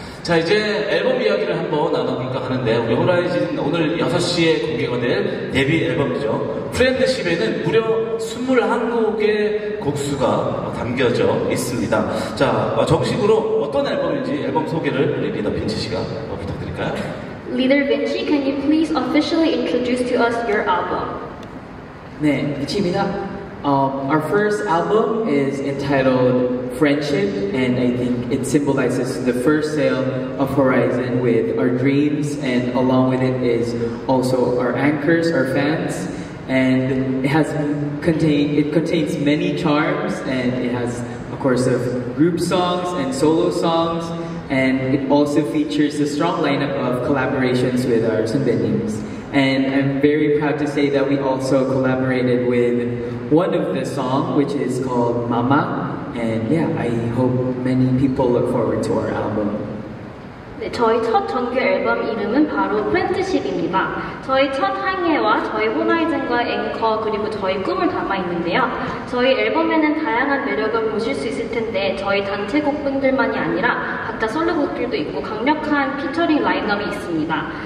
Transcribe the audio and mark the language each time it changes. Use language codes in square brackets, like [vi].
[ko] 자, 이제 앨범 이야기를 한번 나눠볼까 하는데, 우리 호라이즌 오늘 6시에 공개가 될 데뷔 앨범이죠. 프렌드십에는 무려 21곡의 곡수가 담겨져 있습니다. 자, 정식으로 어떤 앨범인지 앨범 소개를 우리 리더 빈치 씨가 부탁드릴까요? [en] Leader Vinci, can you please officially introduce to us your album? [ko] 네, 빈치입니다. [en] Our first album is entitled Friendship, and I think it symbolizes the first sail of Horizon with our dreams, and along with it is also our anchors, our fans, and it contains many charms, and it has a course of group songs and solo songs, and it also features a strong lineup of collaborations with our Sunbeams. And I'm very proud to say that we also collaborated with one of the songs, which is called Mama. And yeah, I hope many people look forward to our album. [ko] 네, 저희 첫 정규 앨범 이름은 바로 프렌트십입니다. 저희 첫 항해와 저희 호라이즌과 앵커 그리고 저희 꿈을 담아 있는데요. 저희 앨범에는 다양한 매력을 보실 수 있을 텐데 저희 단체곡분들만이 아니라 각자 솔로곡들도 있고 강력한 피처링 라인업이 있습니다.